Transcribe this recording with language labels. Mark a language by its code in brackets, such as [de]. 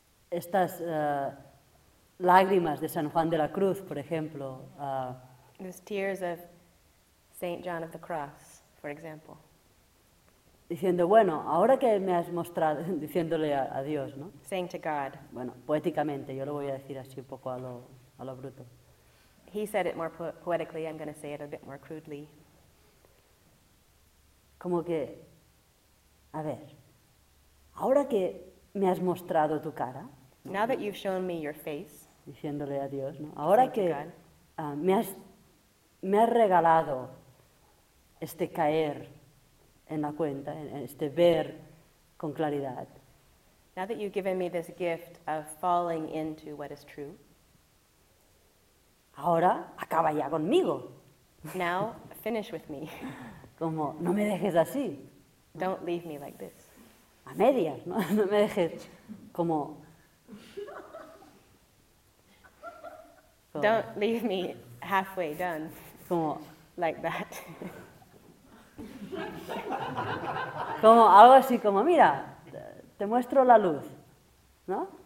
[es] Estas lágrimas de San Juan de la Cruz, por ejemplo. [en] These tears of Saint John of the Cross, for example. [es] Diciendo, bueno, ahora que me has mostrado, diciéndole a Dios, ¿no? [en] Saying to God. [es] Bueno, poéticamente, yo lo voy a decir así un poco a lo bruto. [en] He said it more poetically, I'm going to say it a bit more crudely. [es] Como que, a ver, ahora que me has mostrado tu cara. [en] Now that you've shown me your face, [es] diciéndole a Dios, ¿no? Ahora que me has regalado este caer en la cuenta, este ver con claridad. [en] Now that you've given me this gift of falling into what is true, [es] ahora acaba ya conmigo. [en] Now finish with me. [es] Como, no me dejes así. [en] Don't leave me like this. [es] A medias, ¿no? No me dejes como. [en] Don't leave me halfway done. [es] Como [en] like that. [es] Como algo así como, mira, te muestro la luz, ¿no?